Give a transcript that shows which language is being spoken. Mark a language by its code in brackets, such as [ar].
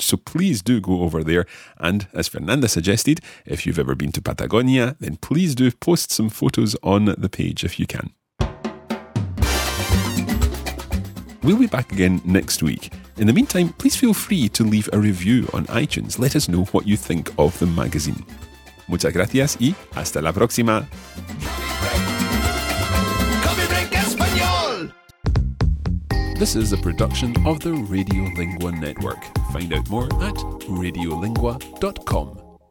[en] So please do go over there. And as Fernanda suggested, if you've ever been to Patagonia, then please do post some photos on the page if you can. We'll be back again next week. In the meantime, please feel free to leave a review on iTunes. Let us know what you think of the magazine. [es] Muchas gracias y hasta la próxima. [en] Coffee Break Español. This is a production of the Radiolingua Network. Find out more at radiolingua.com.